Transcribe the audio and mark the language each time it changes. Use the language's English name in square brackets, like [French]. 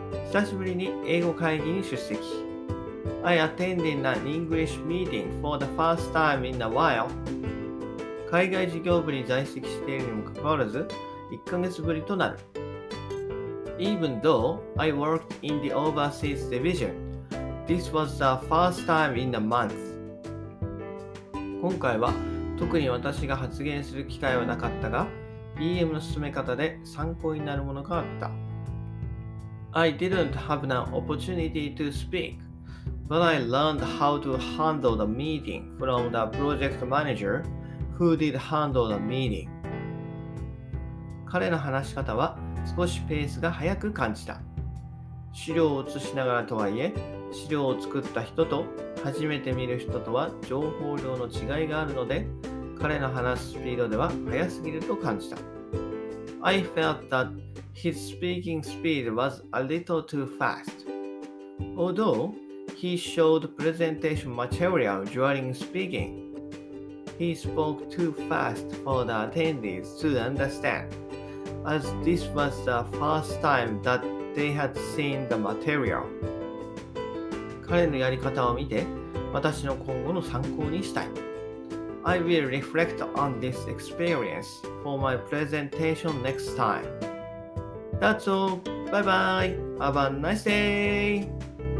[Japanese] 久しぶりに英語会議に出席。 [English] I attended an English meeting for the first time in a while. [Japanese] 海外事業部に在籍しているにもかかわらず、1ヶ月ぶりとなる。 [English] Even though I worked in the overseas division, this was the first time in a month. [Japanese] 今回は特に私が発言する機会はなかったが、EM の進め方で参考になるものがあった。 [English] I didn't have an opportunity to speak, but I learned how to handle the meeting from the project manager who did handle the meeting. [Japanese] 彼の話し方は少しペースが速く感じた。資料を写しながらとはいえ、資料を作った人と初めて見る人とは情報量の違いがあるので、彼の話すスピードでは速すぎると感じた。 [English] I felt that his speaking speed was a little too fast. Although he showed presentation material during speaking, he spoke too fast for the attendees to understand, as this was the first time that they had seen the material. [Japanese] 彼のやり方を見て、私の今後の参考にしたい。 [English] I will reflect on this experience for my presentation next time. That's all. Bye bye. Have a nice day.